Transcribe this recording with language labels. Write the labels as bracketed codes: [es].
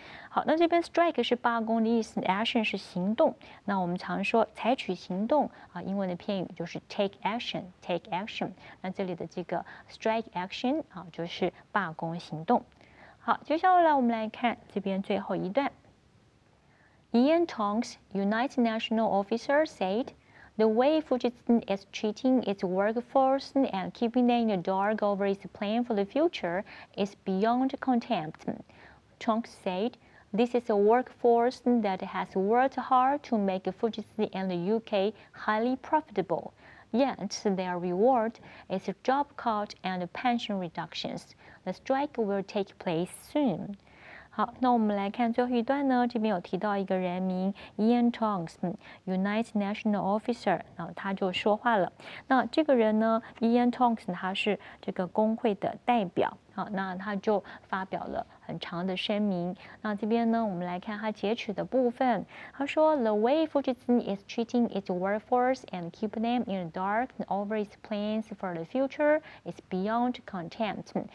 [zh] 好，那这边 strike 是罢工的意思 ，action 是行动。那我们常说采取行动啊，英文的片语就是 [en] take action，take action。 [zh] 那这里的这个 strike action 啊，就是罢工行动。好，接下来我们来看这边最后一段。 [en] Ian Tong's United National Officer said, "The way Fujitsu is treating its workforce and keeping them in the dark over its plan for the future is beyond contempt." Tong said, "This is a workforce that has worked hard to make Fujitsu and the UK highly profitable, yet their reward is a job cut and pension reductions. The strike will take place soon." [zh] 好，那我们来看最后一段呢，这边有提到一个人名 Ian Tongs, United National Officer, 然后他就说话了。那这个人呢 ,Ian Tongs, 他是这个工会的代表。好，那他就发表了很长的声明。那这边呢，我们来看他截取的部分。他说 [en] ,The way Fujitsu is treating its workforce and keeping them in the dark over its plans for the future is beyond contempt。